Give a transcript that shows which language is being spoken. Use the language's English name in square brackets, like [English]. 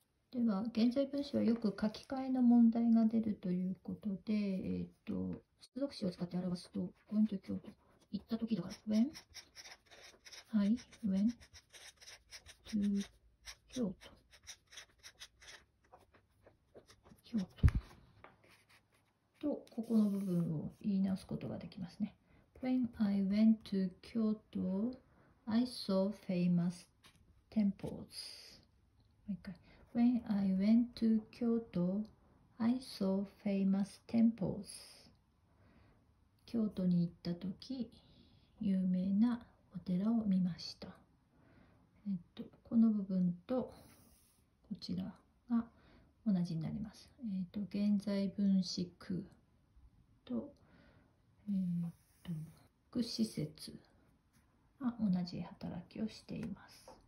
[Japanese] では、現在分詞はよく書き換えの問題が出るということで、接続詞を使って表すと、 [English] Going to Kyoto。 [Japanese] 行った時だから、 [English] When I went to Kyoto. [Japanese] 京都と、ここの部分を言い直すことができますね。 [English] When I went to Kyoto, I saw famous temples. [Japanese] もう一回。 [English] When I went to Kyoto, I saw famous temples. [Japanese] 京都に行った時、有名なお寺を見ました。この部分とこちらが同じになります。現在分詞句と、副詞節が同じ働きをしています。